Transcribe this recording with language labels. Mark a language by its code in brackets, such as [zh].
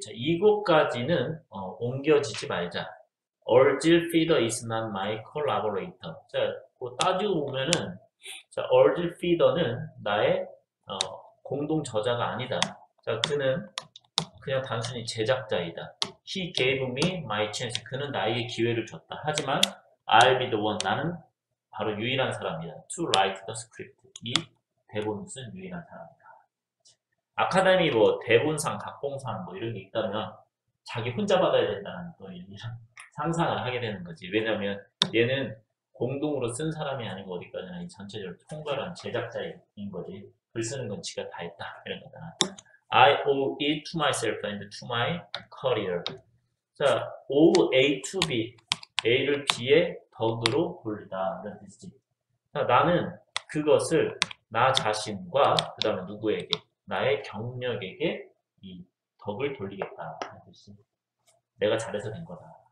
[ko] 자, 이곳까지는 옮겨지지 말자. [en] Orville Fiddler is not my collaborator. [ko] 자, 그 따지고 보면은, 자, Orville Fiddler는 나의 공동 저자가 아니다. 자, 그는 그냥 단순히 제작자이다. [en] He gave me my chance. [ko] 그는 나에게 기회를 줬다. 하지만 [en] I'll be the one. [ko] 나는 바로 유일한 사람이다. [en] To write the script. [ko] 이 대본을 쓴 유일한 사람이다. 아카데미 뭐 대본상, 각본상 뭐 이런 게 있다면 자기 혼자 받아야 된다는 또 이런 상상을 하게 되는 거지. 왜냐면 얘는 공동으로 쓴 사람이 아니고 어디까지나 이 전체적으로 통과한 제작자인 거지. 글 쓰는 건 지가 다 했다. 이런 거잖아. [en] I owe it to myself and to my career. [ko] 자, [en] owe A to B. [ko] A를 B에 덕으로 돌리다. 이런 뜻이지. 자, 나는 그것을 나 자신과 그 다음에 누구에게? 나의 경력에게 이 덕을 돌리겠다. 이런 뜻이지. 내가 잘해서 된 거다.